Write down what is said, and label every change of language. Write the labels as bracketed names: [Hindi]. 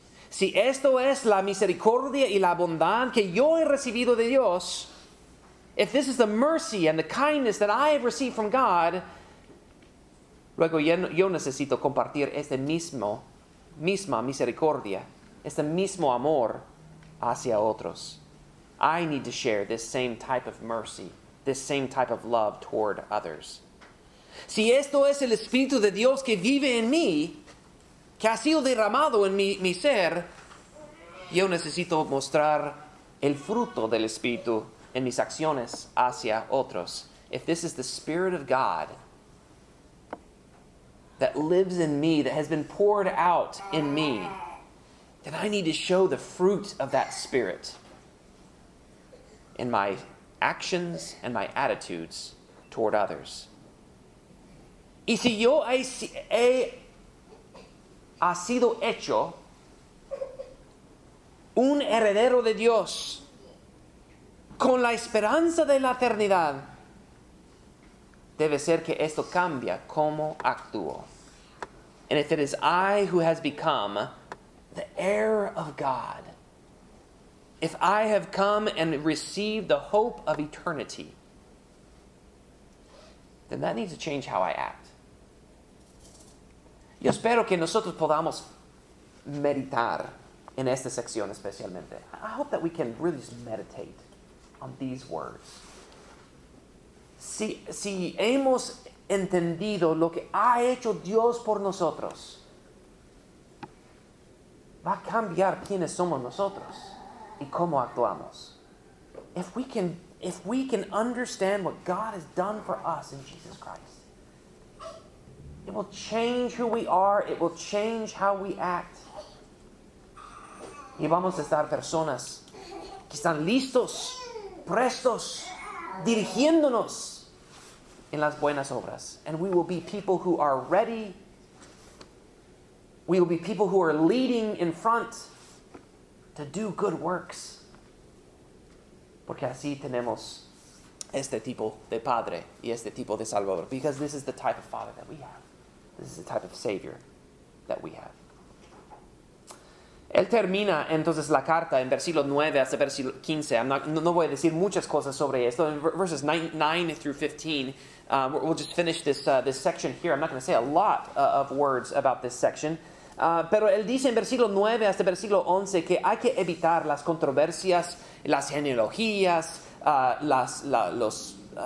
[Spanish] Si esto es la misericordia y la bondad que yo he recibido de Dios, [English] if this is the mercy and the kindness that I have received from God, [Spanish] luego yo necesito compartir este misma misericordia, este mismo amor hacia otros. [English] I need to share this same type of mercy, this same type of love toward others. [Spanish] Si esto es el Espíritu de Dios que vive en mí, que ha sido derramado en mi ser, yo necesito mostrar el fruto del Espíritu en mis acciones hacia otros. [English] If this is the Spirit of God that lives in me, that has been poured out in me, then I need to show the fruit of that Spirit in my actions and my attitudes toward others. [Spanish] Y si yo ha sido hecho un heredero de Dios con la esperanza de la eternidad, debe ser que esto cambia cómo actúo. [English] And if it is I who has become the heir of God, if I have come and received the hope of eternity, then that needs to change how I act. [Spanish] Yo espero que nosotros podamos meditar en esta sección especialmente. [English] I hope that we can really just meditate on these words. [Spanish] Si hemos entendido lo que ha hecho Dios por nosotros, va a cambiar quiénes somos nosotros y cómo actuamos. [English] If we can understand what God has done for us in Jesus Christ, it will change who we are. It will change how we act. [Spanish] Y vamos a estar personas que están listos, prestos, dirigiéndonos en las buenas obras. [English] And we will be people who are ready. We will be people who are leading in front to do good works. [Spanish] Porque así tenemos este tipo de Padre y este tipo de Salvador. [English] Because this is the type of Father that we have. This is the type of Savior that we have. [Spanish] Él termina entonces la carta en versículo 9 hasta versículo 15. No voy a decir muchas cosas sobre esto. [English] In verses 9 through 15, we'll just finish this section here. I'm not going to say a lot of words about this section. [Spanish] Pero él dice en versículo 9 hasta versículo 11 que hay que evitar las controversias, las genealogías, los